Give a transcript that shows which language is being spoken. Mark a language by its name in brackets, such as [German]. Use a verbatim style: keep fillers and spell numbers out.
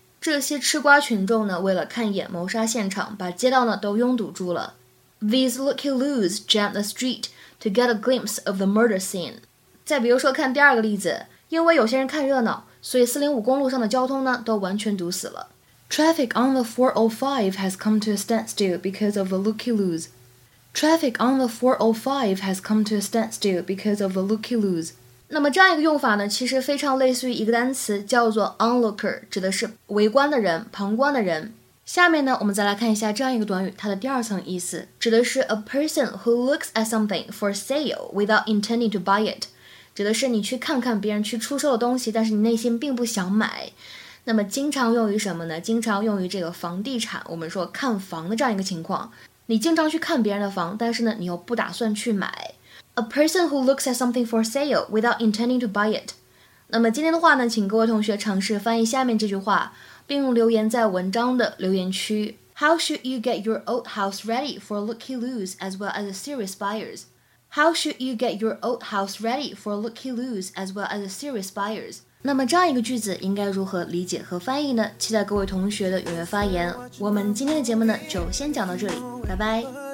[Chinese] 这些吃瓜群众呢，为了看一眼谋杀现场，把街道呢都拥堵住了。 [English] These looky loos jammed the street to get a glimpse of the murder scene。 [Chinese] 再比如说看第二个例子，因为有些人看热闹，所以四零五公路上的交通呢都完全堵死了。 [English] Traffic on the four oh five has come to a standstill because of the looky-loos. Traffic on the four oh five has come to a standstill because of the looky-loos. [Chinese] 那么这样一个用法呢，其实非常类似于一个单词叫做 onlooker， 指的是围观的人、旁观的人。下面呢，我们再来看一下这样一个短语，它的第二层意思指的是 [English] a person who looks at something for sale without intending to buy it。 [Chinese] 指的是你去看看别人去出售的东西，但是你内心并不想买。那么经常用于什么呢？经常用于这个房地产，我们说看房的这样一个情况。你经常去看别人的房，但是呢，你又不打算去买。 [English] A person who looks at something for sale without intending to buy it。 [Chinese] 那么今天的话呢，请各位同学尝试翻译下面这句话，并留言在文章的留言区。 [English] How should you get your old house ready for looky-loos as well as serious buyers? How should you get your old house ready for looky-loos as well as serious buyers? [Chinese] 那么这样一个句子应该如何理解和翻译呢？期待各位同学的踊跃发言。我们今天的节目呢，就先讲到这里，拜拜。